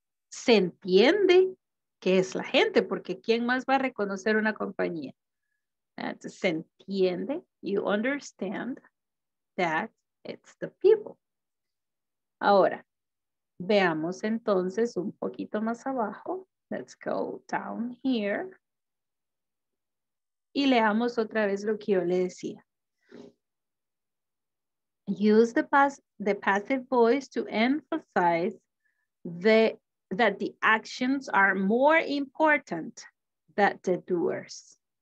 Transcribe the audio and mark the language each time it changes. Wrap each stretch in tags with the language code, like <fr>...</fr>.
<es>Se entiende que es la gente, porque ¿quién más va a reconocer una compañía? Se entiende,</es> <en>you understand that it's the people.</en> <es>Ahora, veamos entonces un poquito más abajo.</es> <en>Let's go down here.</en> <es>Y leamos otra vez lo que yo le decía.</es> <en>Use the passive voice to emphasize that the actions are more important than the doers.</en>